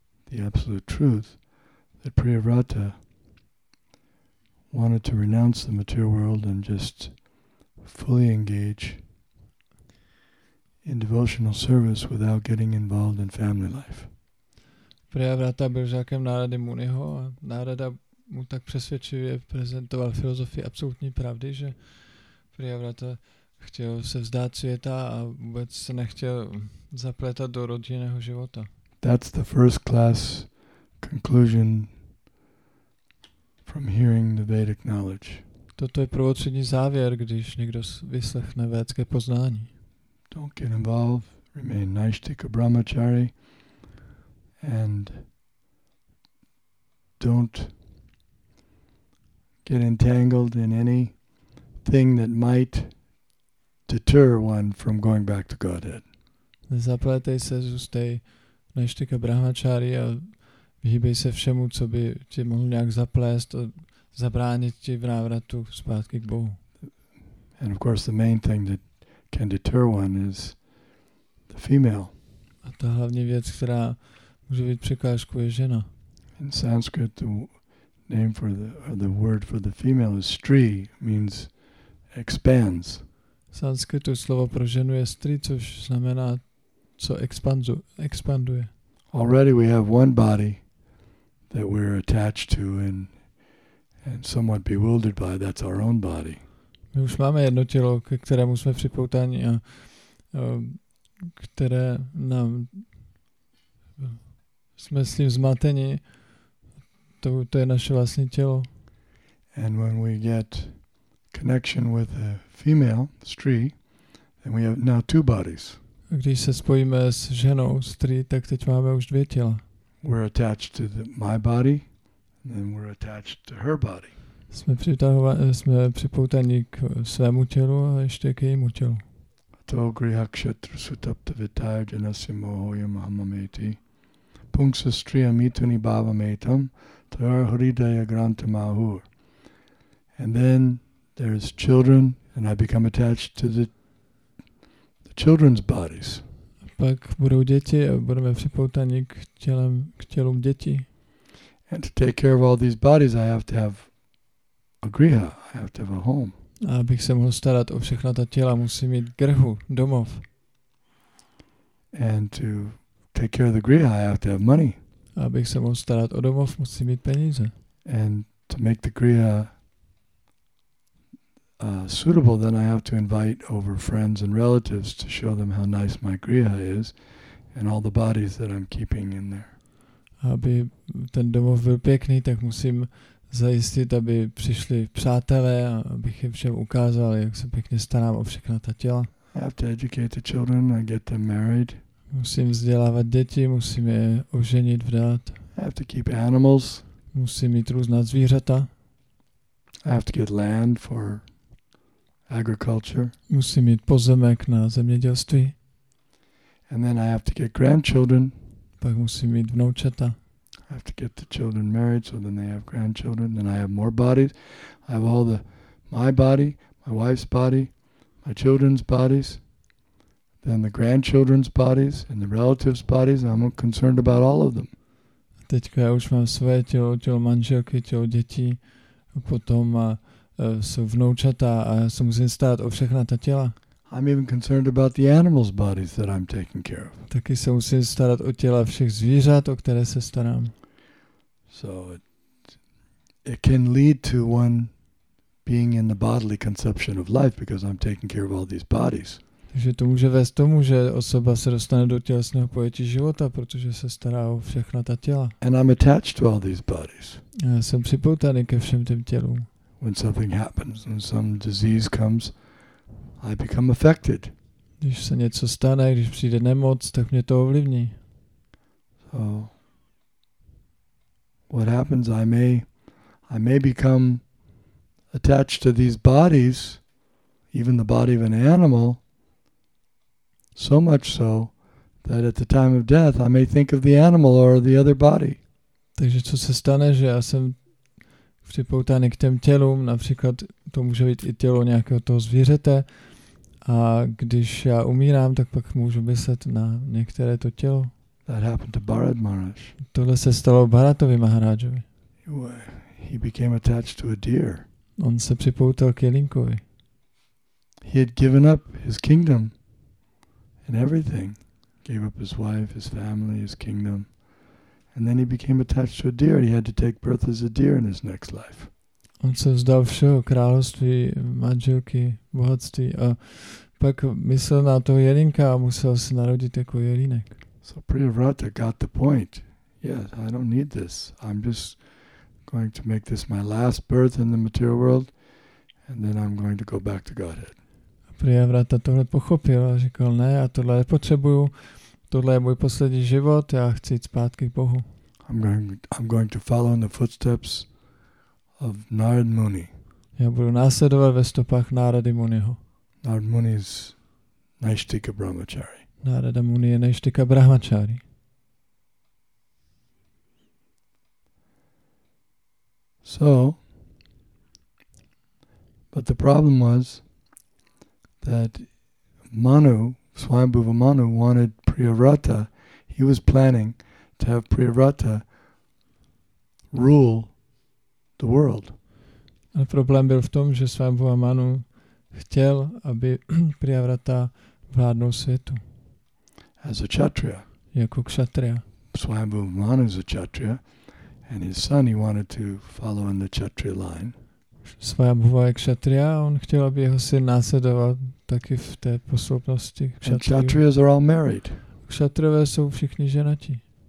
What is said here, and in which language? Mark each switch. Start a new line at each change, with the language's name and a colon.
English: the Absolute Truth that Priyavrata wanted to renounce the material world and just fully engage in devotional service without getting involved in family life.
Czech: Priyavrata byl žákem Narady Muniho a Narada mu tak přesvědčivě prezentoval filozofii absolutní pravdy, že Priyavrata chtěl se vzdát světa a vůbec se nechtěl zapletat do rodinného života.
English: That's the first class conclusion from hearing the Vedic knowledge.
Czech: Toto je prvotřídní závěr, když někdo vyslechne védské poznání.
English: Don't get involved, remain naishtika brahmachari, and don't get entangled in any thing that might deter one from going back to Godhead.
Czech: Nezapletej se, zůstej naishtika brahmachari a vyhýbej se všemu, co by ti mohl nějak zaplést a zabránit ti v návratu zpátky k Bohu.
English: And of course the main thing that can deter one is the female.
Czech: A ta hlavní věc, která může být překážkou, je žena.
English: In Sanskrit the name for the, or the word for the female is stri, means expands.
Czech: V sanskritu slovo pro ženu je stri, což znamená, co expanduje.
English: Already we have one body that we're attached to and somewhat bewildered by. That's our own body.
Czech: My už máme jedno tělo, ke kterému jsme připoutáni a které nám jsme s ním zmateni. To je naše vlastní tělo.
English: And when we get connection with a female, stri, then we have now two bodies.
Czech: Když se spojíme s ženou, stri, tak teď máme už dvě těla.
English: We're attached to my body, and then we're attached to her body.
Czech: Jsme připoutáni k svému tělu a ještě k jejímu tělu.
Sanskrit: Tato griha kshetra sutapta vitaya janasya mohoyam ahamameti. Punksa striya mituni bhava metam tar haridaya grantam ahur.
English: And then there's children, and I become attached to the children's bodies.
Czech: Pak budou děti a budeme připoutaní k tělům dětí.
English: And to take care of all these bodies, I have to have a griha, I have to have a home.
Czech: A abych se mohl starat o všechna ta těla, musím mít grhu, domov.
English: And to take care of the griha, I have to have money.
Czech: A abych se mohl starat o domov, musím mít peníze.
English: And to make the griha suitable, then I have to invite over friends and relatives to show them how nice my griha is and all the bodies that I'm keeping in there.
Czech: Aby ten domov byl pěkný, tak musím zajistit, aby přišli přátelé a abych jim všem ukázal, jak se pěkně starám o všechna ta těla.
English: I have to educate the children and get them married.
Czech: Musím vzdělávat děti, musím je oženit, vdát.
English: I have to keep animals.
Czech: Musím mít různá zvířata.
English: I have to get land for agriculture.
Czech: Musím mít pozemek na zemědělství.
English: And then I have to get grandchildren.
Czech: Pak musím mít vnoučata.
English: I have to get the children married, so then they have grandchildren. Then I have more bodies. I have all the my body, my wife's body, my children's bodies, then the grandchildren's bodies and the relatives' bodies. I'm concerned about all of them.
Czech: Teďka já už mám své tělo, tělo manželky, tělo dětí, potom jsou vnoučata a já se musím starat o všechna ta těla.
English: I'm even concerned about the animals' bodies that I'm taking care of.
Czech: Taky se musím starat o těla všech zvířat, o které se starám.
English: So it can lead to one being in the bodily conception of life because I'm taking care of all these bodies.
Czech: Takže to může vést tomu, že osoba se dostane do tělesného pojetí života, protože se stará o všechna ta těla.
English: And I'm attached to all these bodies.
Czech: A já jsem připoutaný ke všem těm tělům.
English: When something happens, when some disease comes, I become affected.
Czech: Když se něco stane, když přijde nemoc, tak mě to ovlivní.
English: So, what happens? I may become attached to these bodies, even the body of an animal, so much so that at the time of death, I may think of the animal or the other body.
Czech: Takže co se stane, že já jsem připoutaný k těm tělům, například to může být i tělo nějakého toho zvířete. A když já umírám, tak pak můžu myslet na některé to tělo.
English: That happened to Bharat Maharaj.
Czech: Tohle se stalo Bharatovi Maharajovi.
English: He became attached to a deer.
Czech: On se připoutal k jelínkovi.
English: He had given up his kingdom and everything. Gave up his wife, his family, his kingdom. And then he became attached to a deer. He had to take birth as a deer in his next life.
Czech: On se vzdal všeho, království, manželky, bohatství a pak myslel na toho jelínka a musel se narodit jako jelínek.
English: So Priyavrata got the point. Yes, I don't need this. I'm just going to make this my last birth in the material world and then I'm going to go back to Godhead.
Czech: Priyavrata tohle pochopil a říkal, ne, já tohle nepotřebuju, tohle je můj poslední život, já chci jít zpátky k Bohu.
English: I'm going to follow in the footsteps of Narad Muni.
Czech: Já budu následovat ve stopách Narady Muniho.
English: Narad Muni is Naishtika Brahmachari.
Czech: Narada Muni je Naishtika Brahmachari.
English: So, but the problem was that Manu, Swayambhuva Manu, wanted Priyavrata. He was planning to have Priyavrata rule the world.
Czech: A problém byl v tom, že Svayambhuva Manu chtěl, aby Priyavrata vládnul světu.
English: As a kshatriya.
Czech: Jako kshatriya.
English: Svayambhuva Manu is a kshatriya and his son he wanted to follow in the kshatriya line.
Czech: Svayambhuva je kshatriya, on chtěl, aby jeho syn následoval taky v té posloupnosti
English: kshatriyů. Kshatriyas are all married.
Czech: Kshatriyové jsou všichni ženatí.